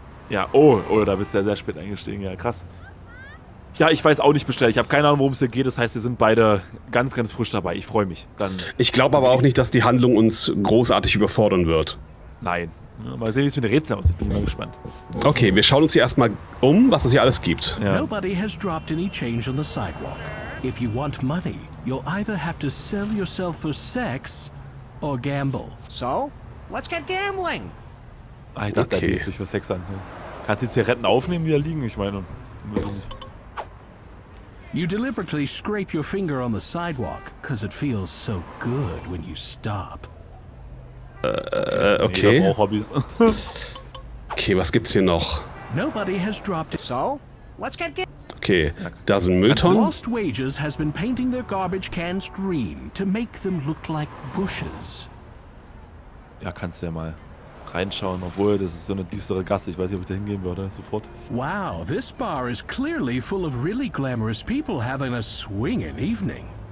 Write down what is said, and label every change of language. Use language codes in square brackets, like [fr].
[de] Ja, oh, da bist du ja sehr spät eingestiegen. Ja, krass. Ja, ich weiß auch nicht bestellt. Ich habe keine Ahnung, worum es hier geht. Das heißt, wir sind beide ganz, ganz frisch dabei. Ich freue mich. Dann ich glaube aber auch nicht, dass die Handlung uns großartig überfordern wird. Nein. Mal sehen, wie es mit den Rätseln aussieht. Bin ich mal gespannt. Okay, wir schauen uns hier erstmal um, was es hier alles gibt. Ja. [en] Nobody has dropped any change on the sidewalk. If you want money, you'll either have to sell yourself for sex or gamble. So, let's get gambling. [de] Alter, okay. Da geht sich für Sex an. Kannst du die Zigaretten aufnehmen, die da liegen? Ich meine. [en] You deliberately scrape your finger on the sidewalk, because it feels so good when you stop. [de] Okay. Nee, Hobbys. Okay, was gibt's hier noch? [en] Nobody has dropped it. So, let's get [de] okay, da sind Mülltonnen. [en] Lost Wages has been painting their garbage cans green to make them look like bushes. [de] Ja, kannst du ja mal reinschauen, obwohl das ist so eine düstere Gasse. Ich weiß nicht, ob ich da hingehen würde sofort. [en] Wow, this bar is clearly full of really glamorous people having a swinging evening.